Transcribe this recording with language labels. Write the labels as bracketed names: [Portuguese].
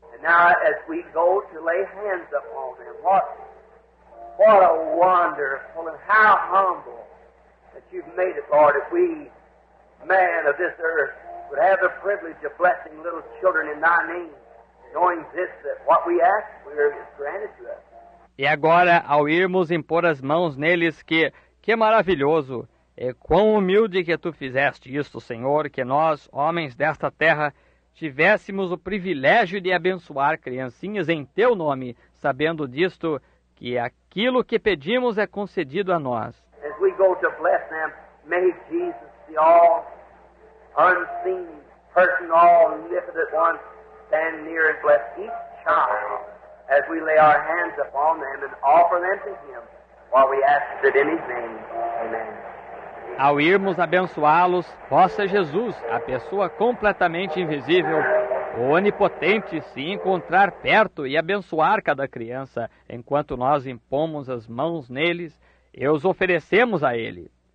[English] Now, as we go to lay hands upon them, what a wonderful and how humble that You've made it, Lord, if we, man of this earth, would have the privilege of blessing little children in Thy name, knowing this, that what we ask, we are granted to us. [Portuguese] E agora, ao irmos impor as mãos neles, que maravilhoso, e quão humilde que Tu fizeste isto, Senhor, que nós, homens desta terra, tivéssemos o privilégio de abençoar criancinhas em Teu nome, sabendo disto, que aquilo que pedimos é concedido a nós. [English] As we go to bless them, may Jesus be all unseen person, all omnipotent one, stand near and bless each child as we lay our hands upon them and offer them to him while we ask it in his name. Amen. [Portuguese] Ao irmos abençoá-los, possa Jesus, a pessoa completamente invisível, o onipotente, se encontrar perto e abençoar cada criança, enquanto nós impomos as mãos neles e os oferecemos a ele.